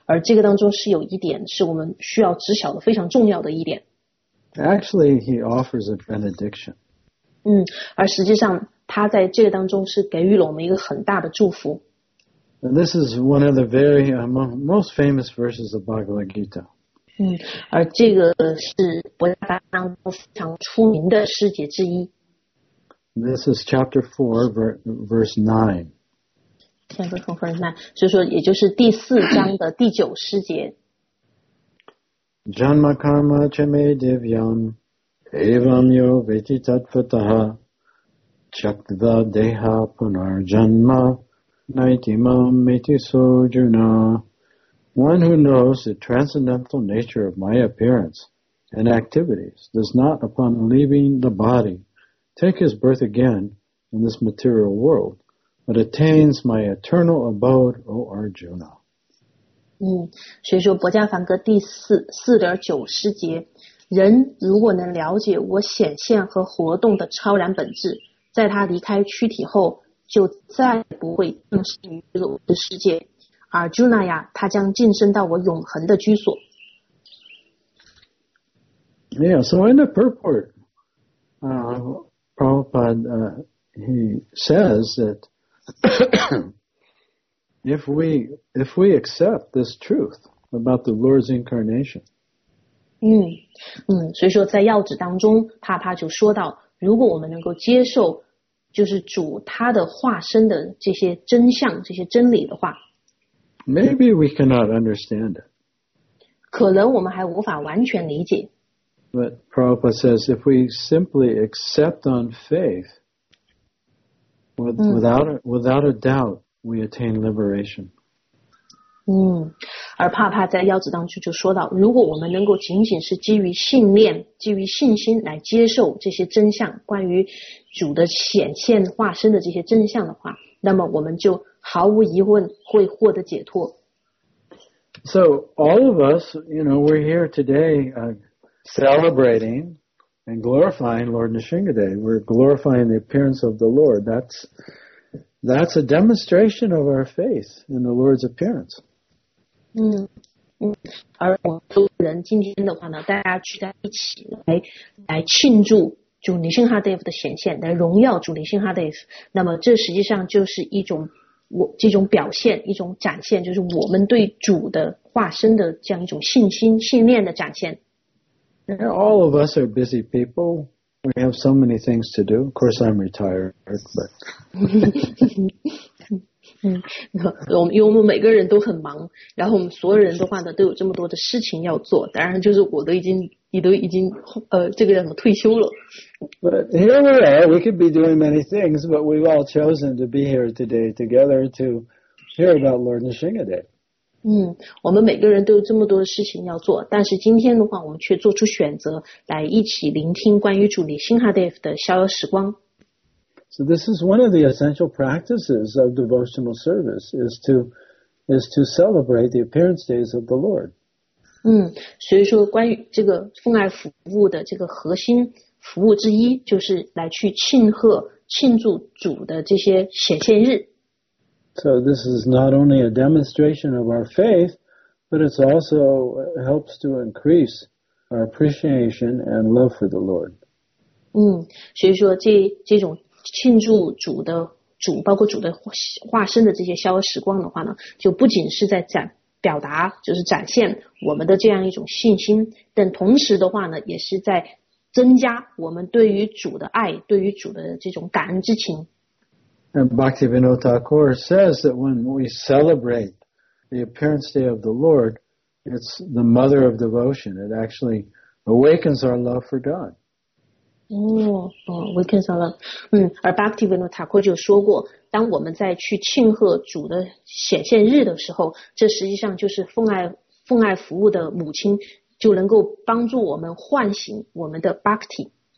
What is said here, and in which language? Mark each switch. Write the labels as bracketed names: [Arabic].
[Chinese] 而这个当中是有一点是我们需要知晓的非常重要的一点。 [English] Actually, he offers a benediction. [Chinese] 而实际上他在这当中是给予了我们一个很大的祝福。 [English] And this is one of the very most famous verses of Bhagavad Gita. [Chinese] 而这个是博伽梵当中非常出名的诗节之一。 [English] This is chapter 4, verse 9. chapter 29, [Chinese] 所以说也就是第四章的第九诗节。 [Sanskrit] Janma karma che me divyam evam yo veti tatvataha chakda deha punar janma naitimam meti sojuna. [English] One who knows the transcendental nature of my appearance and activities does not, upon leaving the body, take his birth again in this material world, but attains my eternal abode, O Arjuna. [Chinese] 所以说《薄伽梵歌》第四点九十节，人如果能了解我显现和活动的超然本质，在他离开躯体后，就再不会正视于我的世界。 Arjuna 呀，他将晋升到我永恒的居所。 [English] Yeah, so in the purport, Prabhupada, he says that if we accept this truth about the Lord's incarnation. [Chinese] 所以说在要旨当中，帕帕就说到，如果我们能够接受就是主他的化身的这些真相，这些真理的话。 [English] Maybe we cannot understand it. [Chinese] 可能我们还无法完全理解。 [English] But Prabhupada says, if we simply accept on faith, without a doubt, we attain liberation. [Chinese] 而帕帕在要旨当中就说到，如果我们能够仅仅是基于信念、基于信心来接受这些真相，关于主的显现化身的这些真相的话，那么我们就毫无疑问会获得解脱。 [English] So all of us, you know, we're here today, celebrating and glorifying Lord Nrisimhadev. We're glorifying the appearance of the Lord. That's a demonstration of our faith in the Lord's appearance. [Chinese] 而我们人今天的话呢，大家聚在一起来庆祝主尼辛哈德夫的显现，来荣耀主尼辛哈德夫。那么这实际上就是这种表现，一种展现，就是我们对主的化身的这样一种信心、信念的展现。 [English] All of us are busy people. We have so many things to do. Of course, I'm retired, but. [Chinese] 因为我们每个人都很忙，然后我们所有人的话呢，都有这么多的事情要做。当然，就是我都已经，你都已经，这个叫什么退休了。 [English] But here we are. We could be doing many things, but we've all chosen to be here today together to hear about Lord Nrisimhadev. [Chinese] 我们每个人都有这么多的事情要做，但是今天的话，我们却做出选择来一起聆听关于主Nrisimhadev的逍遥时光。 [English] So this is one of the essential practices of devotional service, is to celebrate the appearance days of the Lord. [Chinese] 所以说关于这个奉爱服务的这个核心服务之一，就是来去庆祝主的这些显现日。 [English] So this is not only a demonstration of our faith, but it also helps to increase our appreciation and love for the Lord. [Chinese] 所以说这种庆祝主，包括主的化身的这些逍遥时光的话呢，就不仅是在表达，就是展现我们的这样一种信心，但同时的话呢，也是在增加我们对于主的爱，对于主的这种感恩之情。 [English] And Bhaktivinoda Thakur says that when we celebrate the appearance day of the Lord, it's the mother of devotion. It actually awakens our love for God. Awakens our love. [Chinese] 而 Bhaktivinoda Thakur 就说过，当我们在去庆贺主的显现日的时候，这实际上就是奉爱服务的母亲就能够帮助我们唤醒我们的 Bhakti。